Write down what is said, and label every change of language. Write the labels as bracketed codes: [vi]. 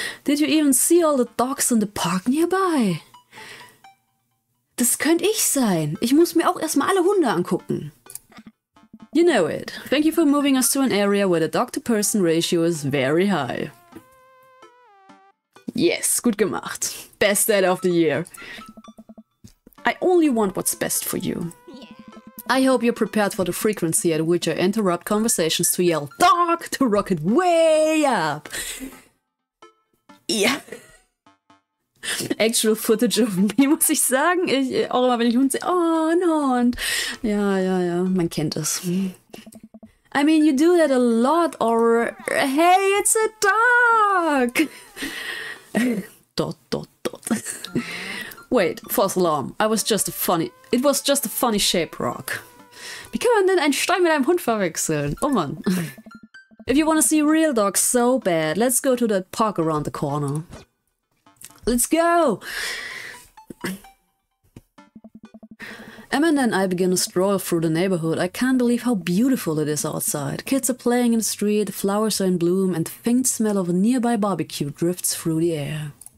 [en] Did you even see all the dogs in the park nearby? [de] Das könnte ich sein. Ich muss mir auch erstmal alle Hunde angucken. [en] You know it. Thank you for moving us to an area where the dog-to-person ratio is very high. Yes, [de] gut gemacht. [en] Best dad of the year. I only want what's best for you. I hope you're prepared for the frequency at which I interrupt conversations to yell dog to rocket way up. Yeah. Actual footage of me, [de] muss ich sagen. Ich, auch immer, wenn ich Hund sehe. Oh, ein Hund. Ja, ja, ja. Man kennt es. [en] I mean, you do that a lot or... Hey, it's a dog. Dot, dot, dot. Wait, false alarm. It was just a funny shape rock. [de] Wie kann man denn einen Stein mit einem Hund verwechseln? Oh Mann. [en] If you wanna see real dogs so bad, let's go to that park around the corner. Let's go! Amanda and I begin a stroll through the neighborhood. I can't believe how beautiful it is outside. Kids are playing in the street, flowers are in bloom, and the faint smell of a nearby barbecue drifts through the air.